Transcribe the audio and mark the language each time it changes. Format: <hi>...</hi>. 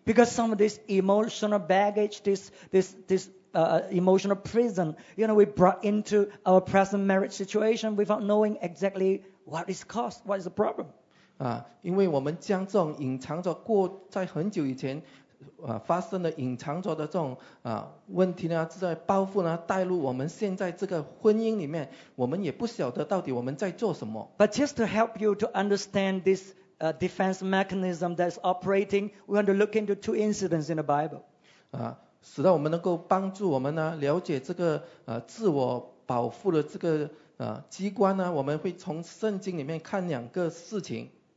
<en>Because some of this emotional baggage, this emotional prison, you know, we brought into our present marriage situation without knowing exactly what is caused, what is the problem.</en> <zh>因为我们将这种隐藏着过在很久以前发生的隐藏着的这种问题呢，在包袱呢带入我们现在这个婚姻里面，我们也不晓得到底我们在做什么。</zh> <en>But just to help you to understand this. Defense mechanism that's operating. We want to look into two incidents in the Bible.</en> <zh>使得我们能够帮助我们呢了解这个自我保护的这个机关呢，我们会从圣经里面看两个事情。</zh>